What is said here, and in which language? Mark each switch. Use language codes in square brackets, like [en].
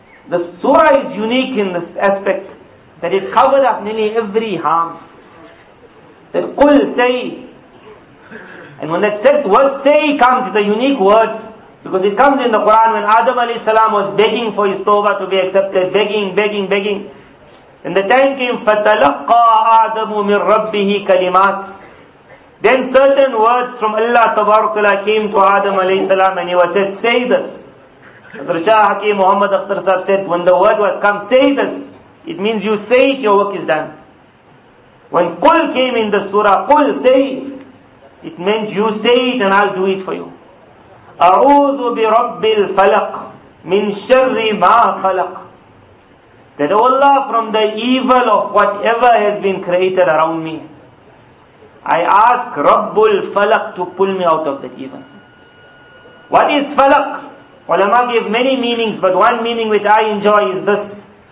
[en] The surah is unique in this aspect that it covered up nearly every harm. That Qul say, and when that said word say comes, it's a unique word. Because it comes in the Quran when Adam alayhi salam was begging for his tawbah to be accepted, begging, begging, begging. [ar] And the time came, فَتَلَقَّى آدَمُ مِن رَبِّهِ كَلِمَاتٍ. [en] Then certain words from Allah tabarakala came to Adam alayhi salam and he was said, say this. Hazrat Shah Hakim Muhammad Akhtar Sahib said, when the word was come, say this. It means you say it, your work is done. When Qul came in the surah, Qul say, it means you say it and I'll do it for you. [ar] أعوذ برب الفلق من شر ما خلق. [en] That, O Allah, from the evil of whatever has been created around me, I ask رب الفلق to pull me out of that evil. What is falak? Ulama give many meanings, but one meaning which I enjoy is this.